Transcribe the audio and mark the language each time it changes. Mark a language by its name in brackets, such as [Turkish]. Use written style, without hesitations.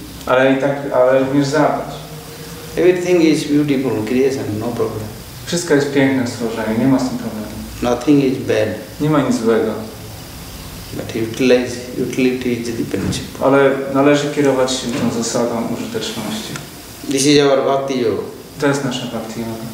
[Polish] Ale i tak, ale również zabrać. [English] Everything is beautiful creation, no problem. [Polish] Wszystko jest piękne stworzenie, nie ma z tym problemu. [English] Nothing is bad. [Polish] Nie ma nic złego. [English] But utility is the principle. [Polish] Ale należy kierować się tą zasadą użyteczności. [English] This is our bhakti yoga. [Polish] To jest nasza bhakti yoga.